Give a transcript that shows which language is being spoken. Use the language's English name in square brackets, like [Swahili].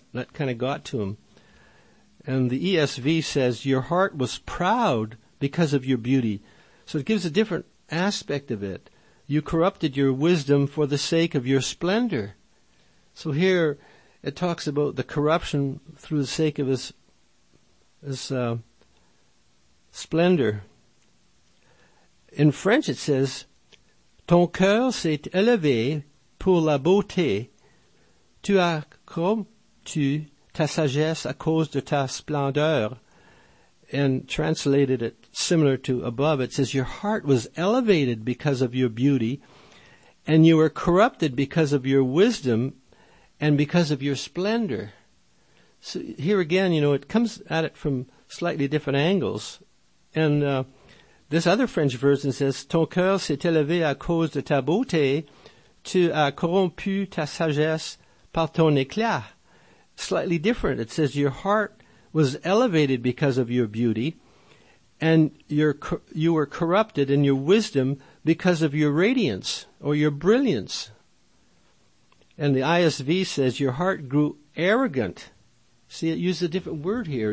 [English] That kind of got to him. And the ESV says, your heart was proud because of your beauty. So it gives a different aspect of it. You corrupted your wisdom for the sake of your splendor. So here it talks about the corruption through the sake of his splendor. In French it says, [French] ton cœur s'est élevé pour la beauté. Tu as corrompu ta sagesse à cause de ta splendeur. [English] And translated it similar to above, it says, your heart was elevated because of your beauty, and you were corrupted because of your wisdom and because of your splendor. So here again, you know, it comes at it from slightly different angles. And this other French version says, [French] ton cœur s'est élevé à cause de ta beauté, tu as corrompu ta sagesse par ton éclat. [English] Slightly different. It says, your heart was elevated because of your beauty, and you were corrupted in your wisdom because of your radiance or your brilliance. And the ISV says, your heart grew arrogant. See, it uses a different word here.